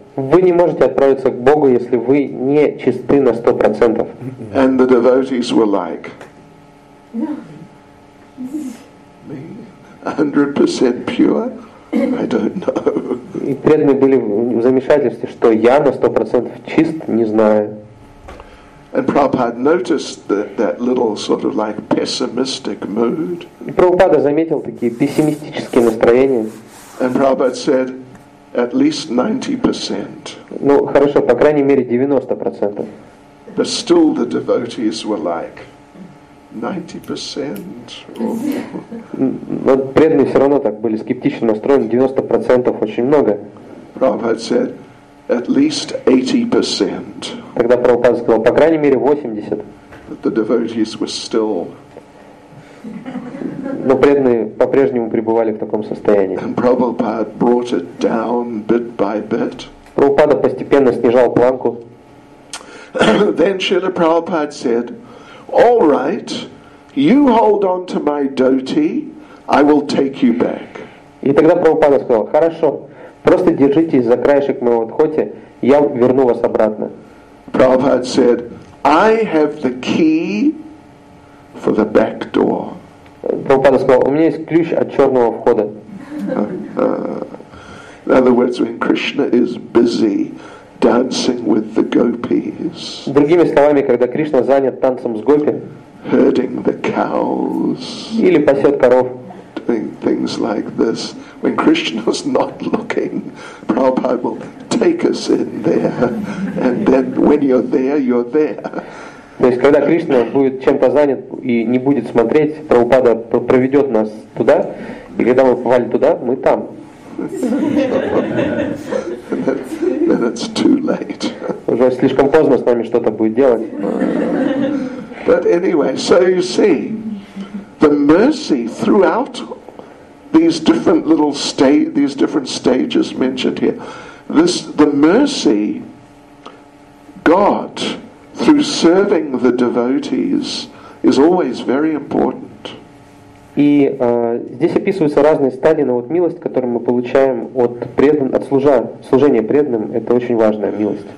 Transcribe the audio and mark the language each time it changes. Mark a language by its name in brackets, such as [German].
[Russian] Вы не можете отправиться к Богу, если вы не чисты на 100%. [English] And the devotees were like, 100% pure? I don't know. [Russian] И преданные были в замешательстве, что я на 100% чист, не знаю. [English] And Prabhupada noticed that little sort of like pessimistic mood. [Russian] Прабхупада заметил такие пессимистические настроения. [English] And Prabhupada said, at least 90%. [Russian] Ну, хорошо, по крайней мере 90%. [English] But still the devotees were like, 90%. [Russian] Но преданные все равно так были скептично настроены. 90% очень много. [English] Prabhupada said, at least 80%. [Russian] Тогда Прабхупада сказал, по крайней мере 80. [English] But the devotees were still. [Russian] Но преданные по-прежнему пребывали в таком состоянии. [English] And Prabhupada brought it down bit by bit. [Russian] Прабхупада постепенно снижал планку. [English] Then Srila Prabhupada said, "All right, you hold on to my dhoti, I will take you back." [Russian] И тогда Прабхупада сказал, "Хорошо, просто держитесь за краешек моего дхоти, я верну вас обратно." [English] Prabhupada said, "I have the key for the back door." [Russian] Прабхупада сказал, "У меня есть ключ от черного входа." [English] In other words, when Krishna is busy dancing with the gopis. [Russian] Другими словами, когда Кришна занят танцем с гопи. [English] Herding the cows. [Russian] Или пасет коров. [English] Doing things like this. When Krishna's not looking, Prabhupada will take us in there. And then when you're there, you're there. [Russian] То есть, когда Кришна будет чем-то занят и не будет смотреть, Прабхупада проведет нас туда, и когда мы попали туда, мы там. [English] Then it's too late. [Russian] Уже слишком поздно с нами что-то будет делать. [English] But anyway, so you see, the mercy throughout these different little these different stages mentioned here, this the mercy God through serving the devotees is always very important. [Russian] И здесь описываются разные стадии, но вот милость, которую мы получаем от преданных, от служения преданным, это очень важная милость.